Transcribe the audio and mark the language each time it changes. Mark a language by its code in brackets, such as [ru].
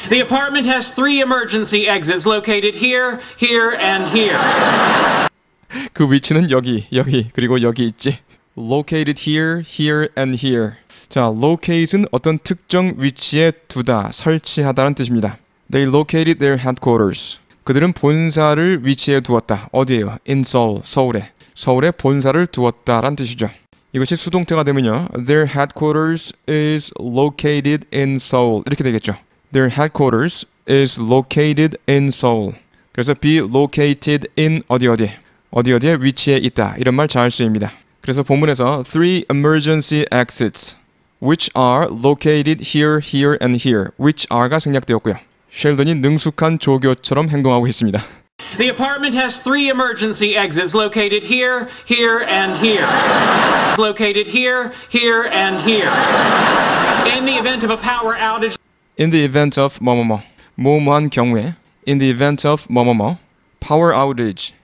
[en] The apartment has three emergency exits located here, here, and here. [ko] 그 위치는 여기, 여기, 그리고 여기 있지. [en] Located here, here, and here. [ko] 자, locate은 어떤 특정 위치에 두다, 설치하다라는 뜻입니다. [en] They located their headquarters. [ko] 그들은 본사를 위치해 두었다. 어디에요? [en] In Seoul, [ko] 서울에. 서울에 본사를 두었다라는 뜻이죠. 이것이 수동태가 되면요. [en] Their headquarters is located in Seoul. 이렇게 되겠죠. Their headquarters is located in Seoul. [ko] 그래서 be located in 어디 어디. 어디 어디에 위치해 있다. 이런 말 잘 쓰입니다. 그래서 본문에서 [en] three emergency exits which are located here, here, and here. [ko] Which are가 생략되었고요. 셸던이 능숙한 조교처럼 행동하고 있습니다. [en] The apartment has three emergency exits located here, here, and here. Located here, here, and here. In the event of a power outage. In the event of 뭐뭐뭐. [ko] 뭐뭐한 경우에. [en] In the event of 뭐뭐뭐. Power outage.